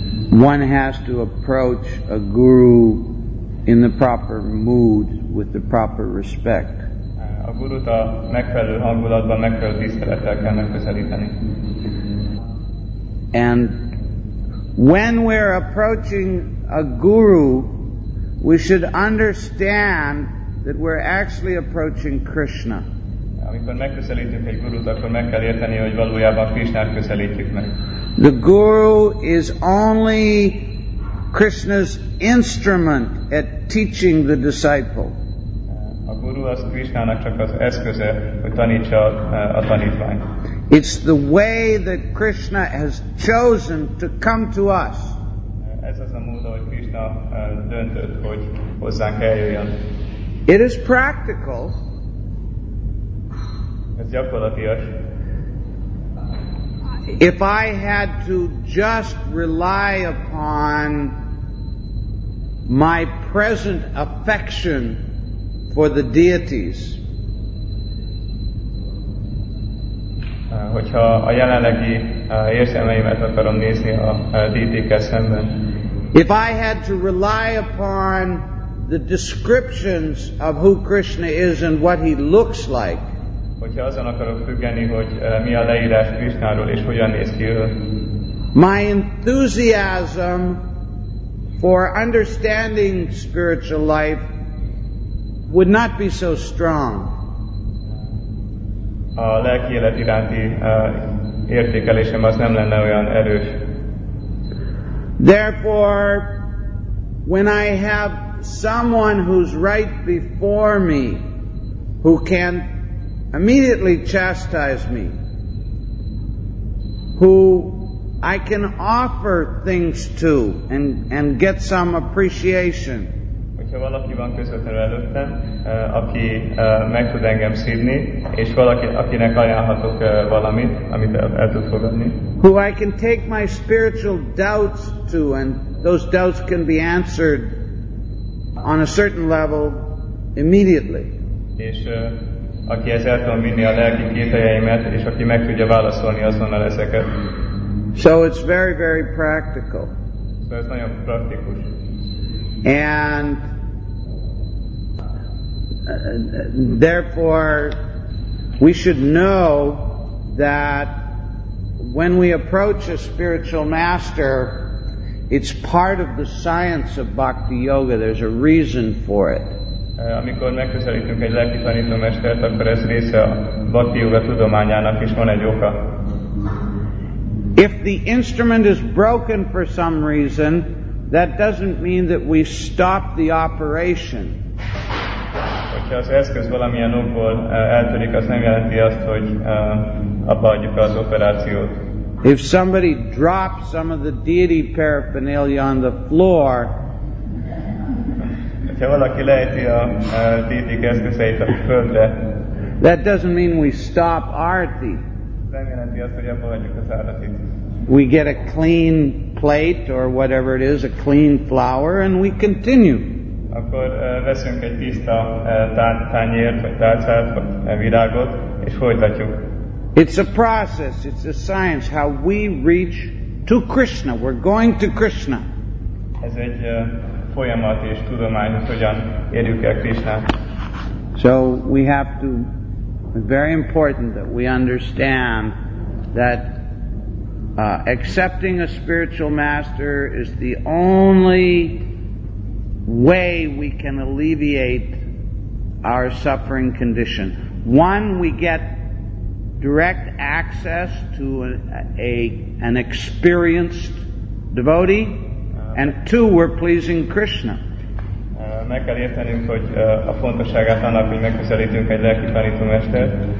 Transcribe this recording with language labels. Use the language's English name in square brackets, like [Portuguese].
[English] One has to approach a guru in the proper mood with the proper respect. [Hungarian] A gurut a megfelelő hangulatban, megfelelő tisztelettel kell megközelíteni. [English] And when we're approaching a guru, we should understand that we're actually approaching Krishna. [Hungarian] Amikor megközelítünk egy gurut, akkor meg kell érteni, hogy valójában Krishnát közelítjük meg. [English] The guru is only Krishna's instrument at teaching the disciple. [Hungarian] A guru az Krishnának csak az eszköze, hogy tanítsa a tanítvány. [English] It's the way that Krishna has chosen to come to us. [Hungarian] Ez az a mód, ahogy Krishna döntött, hogy hozzánk eljöjjön. [English] It is practical. [Hungarian] Ez gyakorlatias. [English] If I had to just rely upon my present affection for the deities, [Hungarian] hogyha a jelenlegi érzelmeimet akarom nézni a deitékkel szemben, [English] if I had to rely upon the descriptions of who Krishna is and what he looks like, [Hungarian] hogyha azon akarok függeni, hogy mi a leírás Krishnáról és hogyan néz ki ő, [English] my enthusiasm for understanding spiritual life would not be so strong. [Hungarian] A lelki élet iránti értékelésem az nem lenne olyan erős. [English] Therefore, when I have someone who's right before me, who can immediately chastise me, who I can offer things to and get some appreciation, [Hungarian] hogyha valaki van közvetlenül előttem, aki meg tud engem szívni, és valaki, akinek ajánlhatok valamit, amit el tud fogadni, [English] who I can take my spiritual doubts to, and those doubts can be answered on a certain level immediately, [Hungarian] és aki ez el tudom vinni a lelki kételjeimet, és aki meg tudja válaszolni azonnal ezeket. [English] So it's very, very practical. [Hungarian] So ez nagyon praktikus. [English] And therefore, we should know that when we approach a spiritual master, it's part of the science of bhakti yoga. There's a reason for it. [Hungarian] Amikor megközelítünk egy lelki tanítómestert, akkor ez része a bhakti yoga tudományának, és van egy oka. [English] If the instrument is broken for some reason, that doesn't mean that we stop the operation. [Hungarian] Hogyha az eszköz valamilyen okból eltörik, az nem jelenti azt, hogy abba adjuk az operációt. [English] If somebody drops some of the deity paraphernalia on the floor, [Hungarian] ha valaki lejti a deity eszközeit a földre, [English] that doesn't mean we stop arati. [Hungarian] Nem jelenti azt, hogy abba adjuk az aratit. [English] We get a clean plate or whatever it is, a clean flower, and we continue. [Hungarian] Akkor veszünk egy tiszta tányért, vagy tárcát, vagy virágot, és folytatjuk. [English] It's a process, it's a science, how we reach to Krishna. We're going to Krishna. [Hungarian] Ez egy folyamat és tudomány, hogy hogyan érjük el Krishnát. [English] So we have to, very important that we understand that accepting a spiritual master is the only way we can alleviate our suffering condition. One, we get direct access to an experienced devotee, and two, we're pleasing Krishna. [Hungarian] Meg kell értenünk, hogy a fontosságát annak, hogy megközelítünk egy lelki tanítómestert.